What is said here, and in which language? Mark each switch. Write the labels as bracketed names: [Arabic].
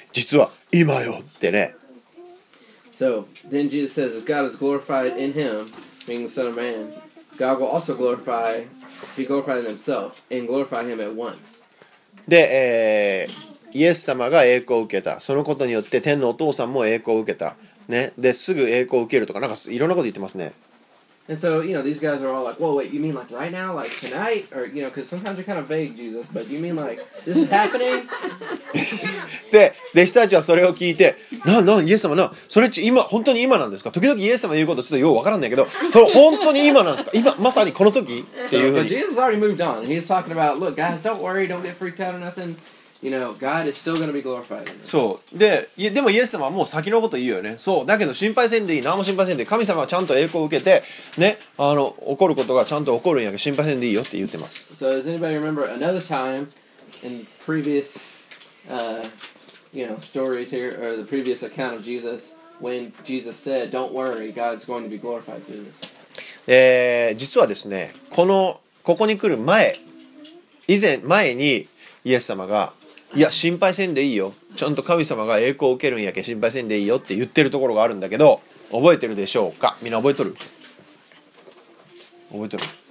[Japanese] 実は今よってね。 [English] So then Jesus says, if God is glorified in him being the son of man, God will also glorify be glorified in himself and glorify him at once [Japanese] で、イエス様が栄光を受けた。そのことによって天のお父さんも栄光を受けた。ね、で、すぐ栄光を受けるとか、なんかいろんなこと言ってますね。 And so, you know, these guys are all like, whoa, wait, you mean like right now, like tonight? Or, you know, because sometimes you're kind of vague, Jesus, but you mean like, this is happening? で、弟子たちはそれを聞いて、なんなん、イエス様、なん、それち今、本当に今なんですか？時々イエス様言うことちょっとよくわからんねんけど、それ本当に今なんですか？今、まさにこの時っていうふうに。 [English] But Jesus already moved on. He's talking about, look, guys, don't worry, don't get freaked out or nothing. You know, God is still going to be glorified. [Japanese] そう。で、でもイエス様はもう先のこと言うよね。そう。だけど心配せんでいい。何も心配せんでいい。神様はちゃんと栄光を受けて、ね、起こることがちゃんと起こるんやけど、心配せんでいいよって言ってます。 [English] So, does anybody remember another time in previous, you know, stories here, or the previous account of Jesus, when Jesus said, don't worry, God's going to be glorified through this? [Japanese] 実はですね、この、ここに来る前、以前前にイエス様が、いや心配せんでいいよ、ちゃんと神様が栄光を受けるんやけ心配せんでいいよって言ってるところがあるんだけど、覚えてるでしょうか。みんな覚えとる？覚えとる？